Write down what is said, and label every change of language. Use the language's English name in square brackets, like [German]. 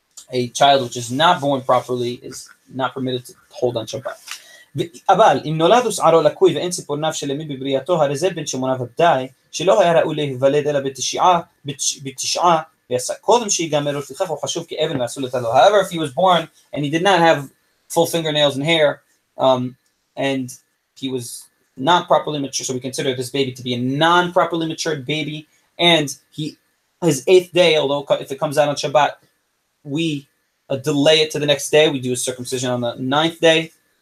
[English] A child which is not born properly is not permitted to hold on Shabbat. [Hebrew] אבל אם נולד ושערו לקוי ואין ציפורניו שלמי בבריאתו, הרי זה בן שמונה ודאי, שלא היה ראוי להיוולד אלא בתשעה, ויעשה קודם שיגמר, ולפיכך הוא חשוב כאבן ועשו לתלו. [English] However, if he was born and he did not have full fingernails and hair, and he was not properly mature, so we consider this baby to be a non-properly matured baby, and his eighth day, although if it comes out on Shabbat, we delay it to the next day, we do a circumcision on the ninth day,